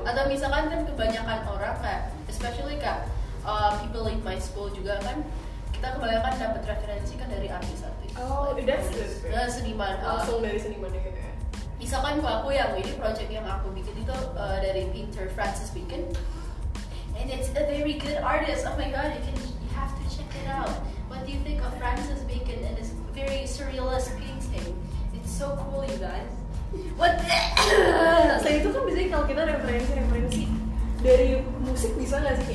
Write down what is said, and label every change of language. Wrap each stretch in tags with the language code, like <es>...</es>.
<id>Yeah. Atau misalkan kan kebanyakan orang kayak, especially kayak</id> <en>people in my school</en> <id>juga kan, kita kebanyakan dapat referensi kan dari artis-artis. Seniman. Langsung dari seniman gitu. Misalkan kalau aku yang ini project yang aku bikin itu dari Peter Francis Bacon,</id> <en>and it's a very good artist. Oh my god, you have to check it out. What do you think of Francis Bacon and his very surrealist painting? It's so cool, you guys. What?</en> <id>Saya itu kan bisa kalau kita referensi dari musik bisa nggak sih?</id>